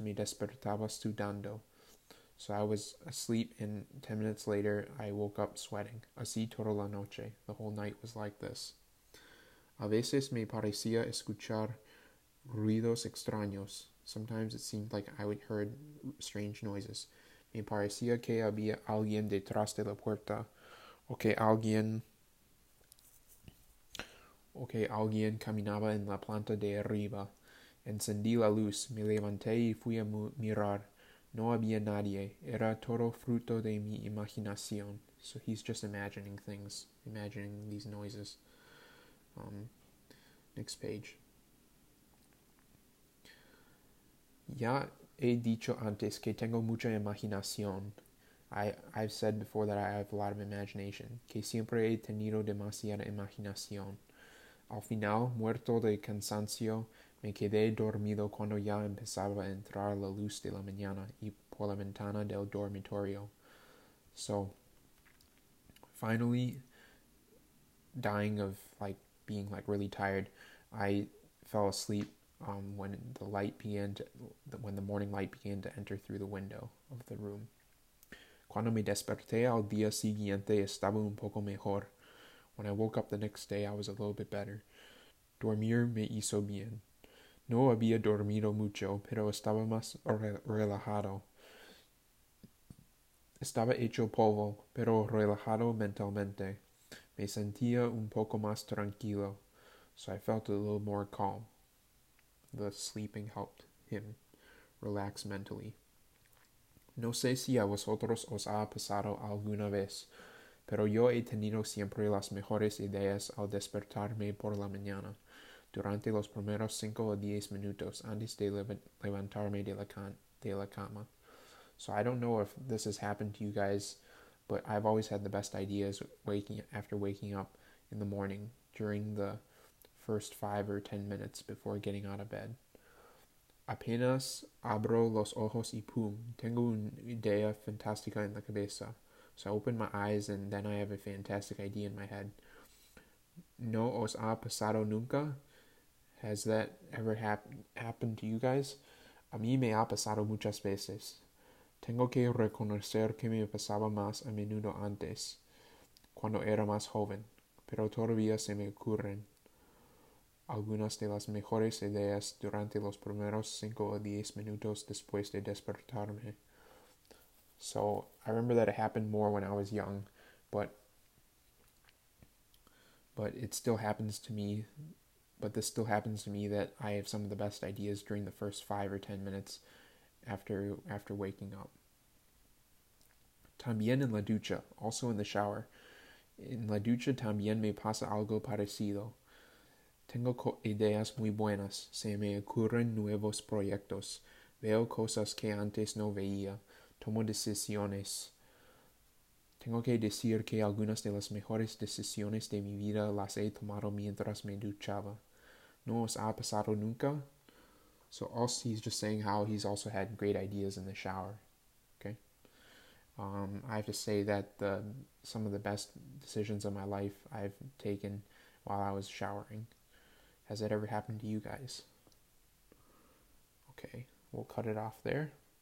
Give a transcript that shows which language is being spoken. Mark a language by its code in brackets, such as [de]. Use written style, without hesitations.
[es] Me despertaba sudando. [en] So I was asleep and 10 minutes later I woke up sweating. [es] Así toda la noche. [en] The whole night was like this. [es] A veces me parecía escuchar ruidos extraños. [en] Sometimes it seemed like I would hear strange noises. [es] Me parecía que había alguien detrás de la puerta. O que alguien caminaba en la planta de arriba. Encendí la luz. Me levanté y fui a mirar. No había nadie. Era todo fruto de mi imaginación. [en] So he's just imagining things. Imagining these noises. Next page. [es] Ya he dicho antes que tengo mucha imaginación. [en] I've said before that I have a lot of imagination. [es] Que siempre he tenido demasiada imaginación. Al final, muerto de cansancio, me quedé dormido cuando ya empezaba a entrar la luz de la mañana y por la ventana del dormitorio. [en] So, finally, dying of, like, being, like, really tired, I fell asleep. When the morning light began to enter through the window of the room. [es] Cuando me desperté al día siguiente estaba un poco mejor. [en] When I woke up the next day, I was a little bit better. [es] Dormir me hizo bien. No había dormido mucho, pero estaba más relajado. Estaba hecho polvo, pero relajado mentalmente. Me sentía un poco más tranquilo, [en] so I felt a little more calm. The sleeping helped him relax mentally. [es] No sé si a vosotros os ha pasado alguna vez, pero yo he tenido siempre las mejores ideas al despertarme por la mañana, durante los primeros 5 o 10 minutos antes de levantarme de la cama. [en] So I don't know if this has happened to you guys, but I've always had the best ideas after waking up in the morning during the first 5 or 10 minutes before getting out of bed. [es] Apenas abro los ojos y pum, tengo una idea fantástica en la cabeza. [en] So I open my eyes and then I have a fantastic idea in my head. [es] No os ha pasado nunca? [en] Has that ever happened to you guys? [es] A mí me ha pasado muchas veces. Tengo que reconocer que me pasaba más a menudo antes, cuando era más joven, pero todavía se me ocurren algunas de las mejores ideas durante los primeros 5 o 10 minutos después de despertarme. [en] So, I remember that it happened more when I was young, but it still happens to me, but this still happens to me that I have some of the best ideas during the first 5 or 10 minutes after waking up. [es] También en la ducha, [en] also in the shower. [es] En la ducha también me pasa algo parecido. Tengo ideas muy buenas. Se me ocurren nuevos proyectos. Veo cosas que antes no veía. Tomo decisiones. Tengo que decir que algunas de las mejores decisiones de mi vida las he tomado mientras me duchaba. ¿No os ha pasado nunca? [en] So also, he's just saying how he's also had great ideas in the shower. Okay. I have to say that some of the best decisions of my life I've taken while I was showering. Has that ever happened to you guys? Okay, we'll cut it off there.